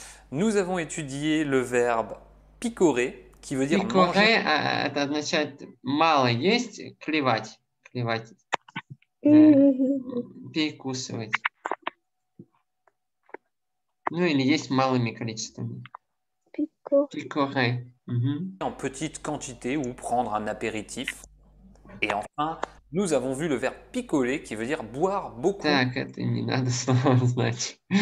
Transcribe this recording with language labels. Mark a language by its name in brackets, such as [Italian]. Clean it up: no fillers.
[French] Nous avons étudié le verbe picorer, qui veut dire manger. [Russian] Picorer, это означает мало есть, клевать. Клевать. Перекусывать. Ну, или есть малыми количествами. [French] Picorer. En petite quantité ou prendre un apéritif. Et enfin, nous avons vu le verbe picoler qui veut dire boire beaucoup. [Russian] Так, это не надо снова знать.